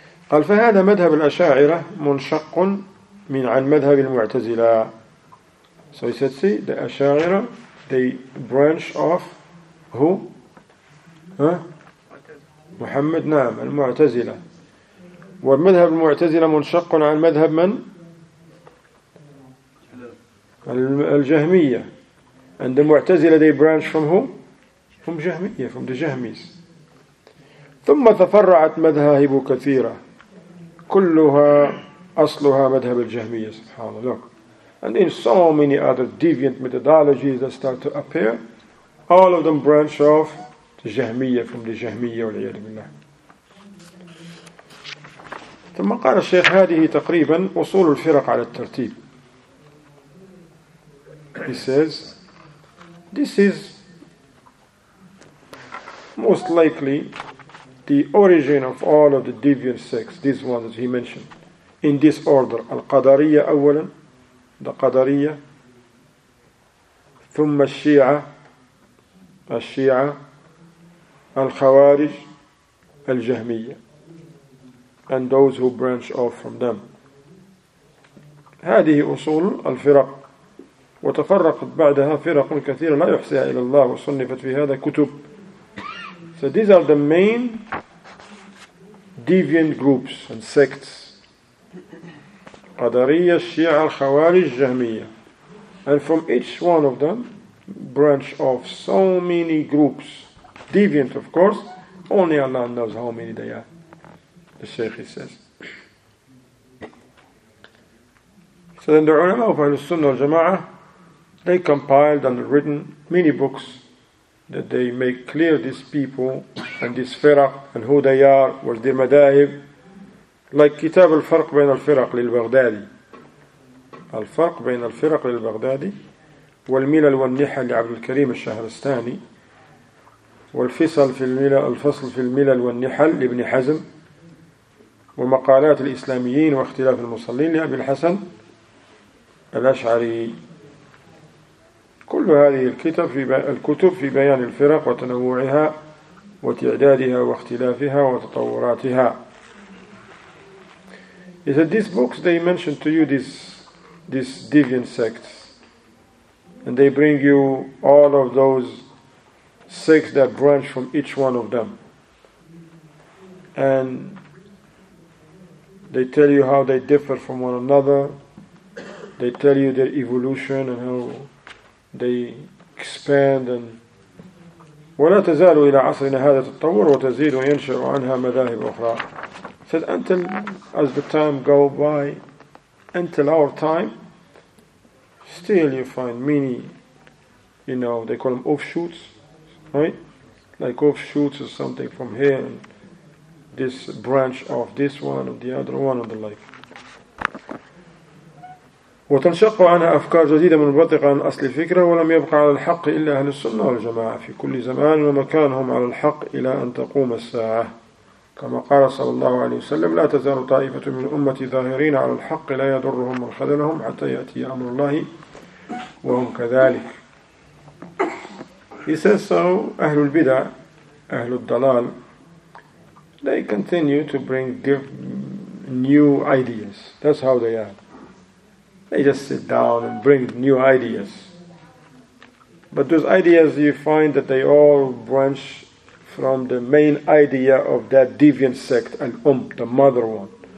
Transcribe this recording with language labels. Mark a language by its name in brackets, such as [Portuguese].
[Arabic] قال فهذا مذهب الأشاعرة منشق من عن مذهب المعتزلة. [English] So he said, see, the أشاعرة, they branch off who? [Arabic] Huh? محمد نعم المعتزلة. والمذهب المعتزلة منشق عن مذهب من؟ الجهمية. [English] And the معتزلة, they branch from who? From جهمية, from the جهميس. [Arabic] ثم تفرعت مذاهب كثيرة كلها أصلها مذهب الجهمية سبحان الله. [English] Look, and in so many other deviant methodologies that start to appear, all of them branch off the جهمية from the جهمية والعياذ بالله. [Arabic] ثم قال الشيخ هذه تقريبا وصول الفرق على الترتيب. [English] He says, This is most likely the origin of all of the deviant sects, these ones that he mentioned, in this order. [Arabic] Al-Qadariya awwalan, the Qadariya, thumma al-Shi'a, al-Shi'a, al-Khawarij, al-Jahmiya, and those who branch off from them. هذه أصول الفرق وتفرقت بعدها فرق كثيرة لا يحصيها إلى الله وصنفت في هذا كتب. [English] So these are the main deviant groups and sects. [Arabic] قدرية الشيعة الخوارج الجهمية. [English] And from each one of them branch off so many groups. Deviant of course, only Allah knows how many they are. The Shaykh says. So then the ulama of Ahl-Sunnah al-Jama'ah, they compiled and written many books that they make clear these people and this firaq and who they are, what their madahib, like Kitab al-Farq bayn al-Firaq lil-Baghdadi. [Arabic] Al-Farq bayn al-Firaq lil-Baghdadi, wal-Milal wal-Niha li-Abd al-Karim al-Shahrastani, wal-Fisal fil-Milal wal-Niha li-Ibn Hazm, wa-Maqalat al-Islamiyin wa-Akhtilaf al-Musallin li-Abi al-Hasan, الأشعري. كل هذه الكتب في الكتب في بيان الفرق وتنوعها وتعدادها واختلافها وتطوراتها. [English] Is that these books they mention to you this deviant sects, and they bring you all of those sects that branch from each one of them, and they tell you how they differ from one another. They tell you their evolution and how they expand. [Arabic] And ولا تزال إلى عصرنا هذا تتطور وتزيد وينشأ عنها مذاهب أخرى. [English] Said until as the time go by, until our time, still you find many, you know, they call them offshoots, right? Like offshoots or something from here, and this branch of this one or the other one and the like. [Arabic] وتنشق عنها أفكار جديدة منبثقة عن أصل الفكرة ولم يبقى على الحق إلا أهل السنة والجماعة في كل زمان ومكانهم على الحق إلى أن تقوم الساعة كما قال صلى الله عليه وسلم لا تزال طائفة من أمتي ظاهرين على الحق لا يضرهم من خذلهم حتى يأتي أمر الله وهم كذلك. [English] He says so [Arabic] أهل البدع أهل الضلال [English] they continue to bring new ideas, that's how they are. They just sit down and bring new ideas. But those ideas, you find that they all branch from the main idea of that deviant sect, the mother one.